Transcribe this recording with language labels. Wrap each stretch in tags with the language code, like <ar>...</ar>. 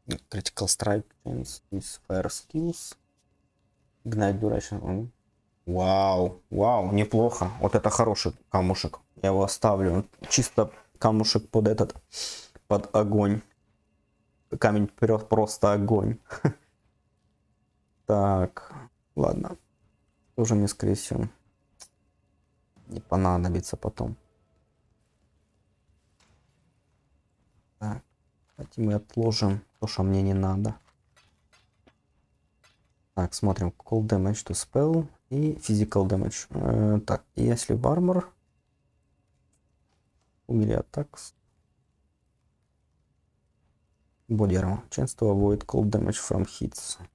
<en>Critical strike chance is fire skills. Ignite duration.</en> <ru>Вау, вау, неплохо. Вот это хороший камушек. Я его оставлю. Чисто камушек под этот, под огонь. Камень вперед, просто огонь. Так, ладно. Тоже мне, скорее всего, не понадобится потом. Давайте мы отложим то, что мне не надо. Так, смотрим.</ru> <en>Cold damage to spell и physical damage.</en> <ru>Так, если в armor. Убили attacks.</ru> <en>Body armor. Chance to avoid cold damage from hits.</en>